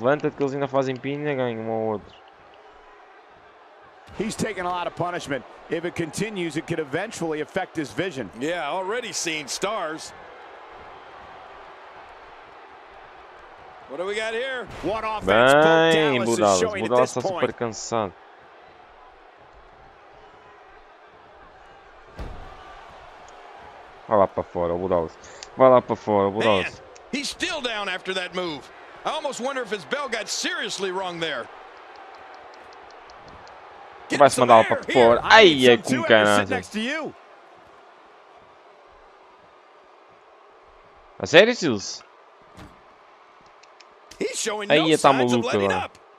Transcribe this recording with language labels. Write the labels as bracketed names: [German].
[Portuguese] Levanta-te, que eles ainda fazem pin e ganham um ao outro. [English] He's taking a lot of punishment. If it continues, it could eventually affect his vision. Yeah, already seen stars. What do we got here? What offense? Budalas [Portuguese] está super cansado. Vai lá para fora, Budalas. Vai lá para fora, Budalas. [English] He's still down after that move. I almost wonder if his bell got seriously wrong there. [Portuguese] Vai se mandar lá para fora. Aí é com caralho. A sério, Sils? Aí está maluco lá.